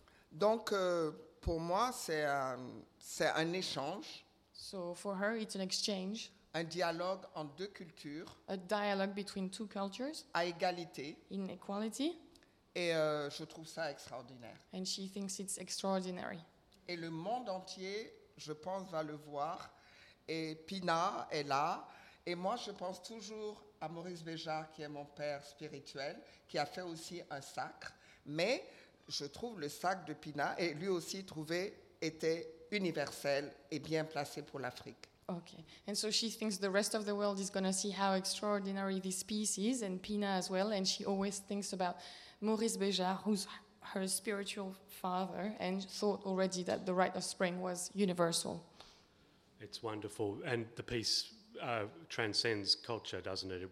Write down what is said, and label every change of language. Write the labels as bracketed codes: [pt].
[fr] Donc, pour moi, c'est un échange. [en] So for her, it's an exchange. [fr] Un dialogue en deux cultures. [en] A dialogue between two cultures. [fr] À égalité. [en] In equality. [fr] Et je trouve ça extraordinaire. [en] And she thinks it's extraordinary. [fr] Et le monde entier, je pense, va le voir. Et Pina est là. Et moi, je pense toujours à Maurice Béjart, qui est mon père spirituel, qui a fait aussi un sacre. Mais je trouve le sacre de Pina, et lui aussi trouvé, était universel et bien placé pour l'Afrique. [en] Okay, and so she thinks the rest of the world is going to see how extraordinary this piece is, and Pina as well, and she always thinks about Maurice Béjart, who's her spiritual father, and thought already that the Rite of Spring was universal. It's wonderful, and the piece transcends culture, doesn't it?